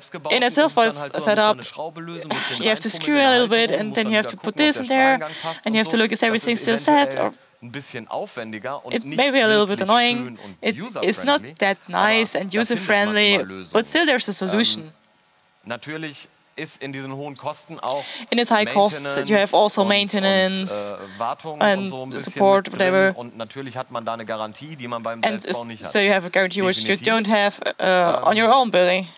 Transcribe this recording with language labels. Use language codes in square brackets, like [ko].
[en] In a self-built setup, you have to screw a little bit and then you have to put this in there and you have to look, is everything still set? Or it may be a little bit annoying, it is not that nice and user-friendly, but still there's a solution. [de] Ist in diesen hohen Kosten auch [en] in its high costs, you have also maintenance and [de] so ein [en] support, whatever. [de] Und natürlich hat man da eine Garantie, die man beim Selbstbau nicht hat. [en] So you have a guarantee definitiv. Which you don't have on your own building.